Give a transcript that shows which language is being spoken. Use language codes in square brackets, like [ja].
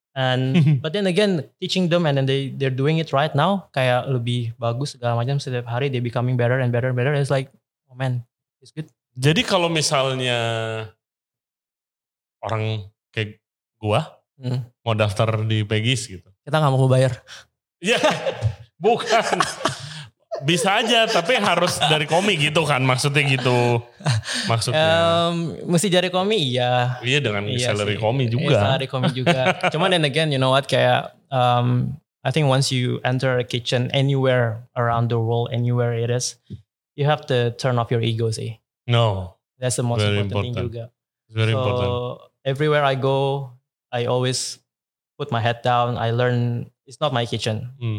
[en] And but then again, teaching them and then they're doing it right now, [id] kayak lebih bagus segala macam setiap hari, [en] they becoming better and better and better. It's like, oh man, it's good. [id] Jadi kalau misalnya orang kayak gua mau daftar di Pegis gitu, kita gak mau bayar. Ya, bukan. Bisa aja, tapi harus dari komi gitu kan, maksudnya gitu. Maksudnya. Mesti dari komi, iya. Iya, dengan salary komi juga. Salary komi juga. [en] Cuman then again, you know what, kayak, I think once you enter a kitchen anywhere around the world, anywhere it is, you have to turn off your ego sih. No. That's the most important thing juga. It's very important. So, everywhere I go, I always put my head down, I learn. It's not my kitchen. Mm.